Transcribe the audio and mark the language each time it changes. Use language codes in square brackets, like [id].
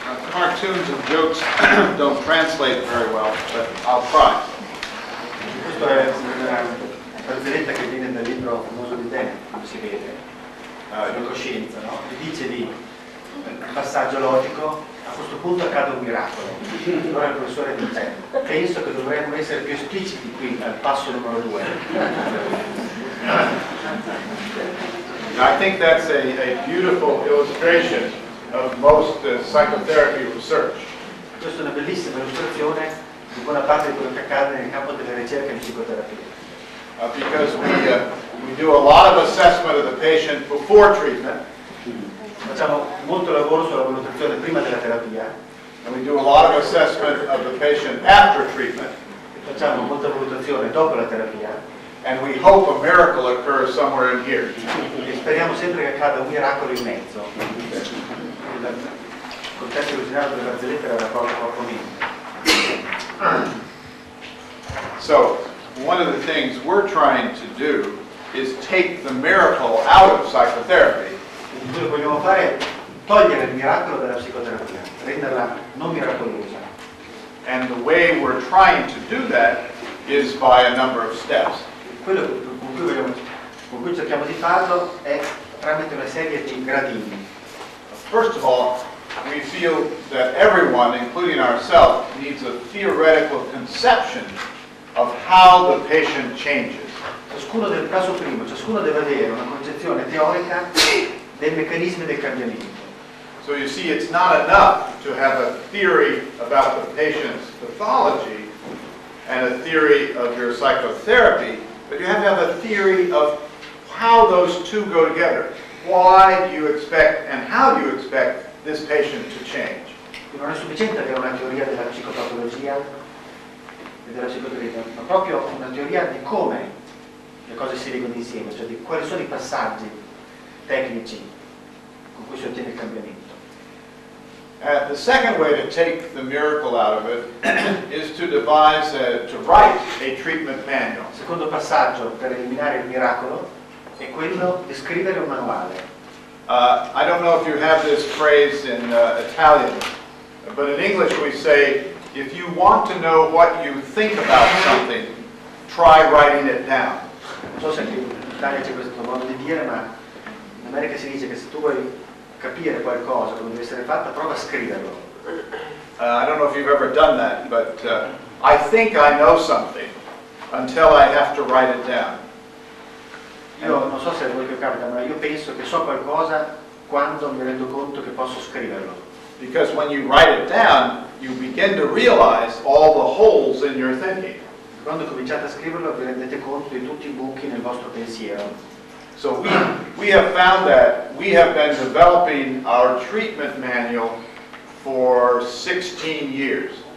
[en] Cartoons and jokes don't translate very well, but I'll try. [it] Questo è una barzelletta che viene dal libro famoso di Dan, come si vede. La coscienza, no? E dice di passaggio logico, a questo punto accade un miracolo. Allora il professore dice, penso che dovremmo essere più espliciti qui al passo numero due. [en] I think that's a beautiful illustration of most psychotherapy research. [it] Questa è una bellissima illustrazione di buona parte di quello che accade nel campo della ricerca di psicoterapia. [en] Because we do a lot of assessment of the patient before treatment. [it] Facciamo molto lavoro sulla valutazione prima della terapia. [en] And we do a lot of assessment of the patient after treatment. [it] Facciamo molta valutazione dopo la terapia. [en] And we hope a miracle occurs somewhere in here. [it] E speriamo sempre che accada un miracolo in mezzo. Il contesto originale della barzelletta era proprio mio. [en] So, one of the things we're trying to do is take the miracle out of psychotherapy. [it] Quello che vogliamo fare è togliere il miracolo dalla psicoterapia, renderla non miracolosa. [en] And the way we're trying to do that is by a number of steps. [it] Quello con cui cerchiamo di farlo è tramite una serie di gradini. [en] First of all, we feel that everyone, including ourselves, needs a theoretical conception of how the patient changes. [it] Ciascuno del caso primo, ciascuno deve avere una concezione teorica dei meccanismi del cambiamento. [en] So you see, it's not enough to have a theory about the patient's pathology and a theory of your psychotherapy, but you have to have a theory of how those two go together. Why do you expect and how do you expect this patient to change? [it] Non è sufficiente avere una teoria della psicopatologia e della psicoterapia, ma proprio una teoria di come le cose si legano insieme, cioè di quali sono i passaggi tecnici con cui si ottiene il cambiamento. [en] The second way to take the miracle out of it is to devise to write a treatment manual. [it] Secondo passaggio per eliminare il miracolo è quello di scrivere un manuale. [en] I don't know if you have this phrase in Italian, but in English we say, if you want to know what you think about something, try writing it down. [it] Non so se in Italia c'è questo modo di dire, ma in America si dice che se tu vuoi capire qualcosa, come deve essere fatta, prova a scriverlo. [en] I don't know if you've ever done that, but I think I know something until I have to write it down. [it] Io non so se è quello che capita, ma io penso che so qualcosa quando mi rendo conto che posso scriverlo. [en] Because when you write it down, you begin to realize all the holes in your thinking. [it] Quando cominciate a scriverlo, vi rendete conto di tutti i buchi nel vostro pensiero. [en] So we have found that we have been developing our treatment manual for 16 years.